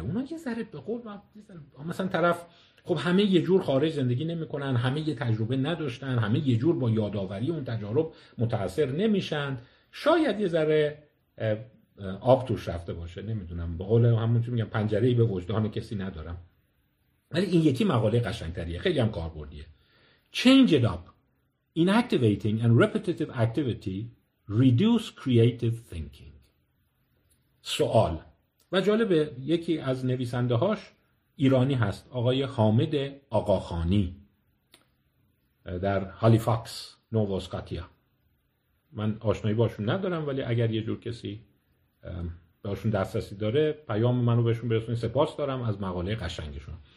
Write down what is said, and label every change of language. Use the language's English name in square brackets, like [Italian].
[Persian] اونا یه ذره به قول مثلا طرف، خب همه یه جور خارج زندگی نمی‌کنن، همه یه تجربه نداشتن، همه یه جور با یاداوری اون تجارب متاثر نمی‌شن، شاید یه ذره آب توش رفته باشه، نمیدونم، به قول همون چی میگم پنجره‌ای به وجدان کسی ندارم، ولی این یکی مقاله قشنگ‌تریه، خیلی هم کاربردیه. [English] Change it up. Inactivating and repetitive activity reduce creative thinking. [Persian] سوال. و جالبه یکی از نویسنده هاش ایرانی هست، آقای حامد آقاخانی در هالیفاکس نوواسکاتیا. من آشنایی باشون ندارم، ولی اگر یه جور کسی باشون دسترسی داره پیام منو بهشون برسونید، سپاس دارم از مقاله قشنگشون.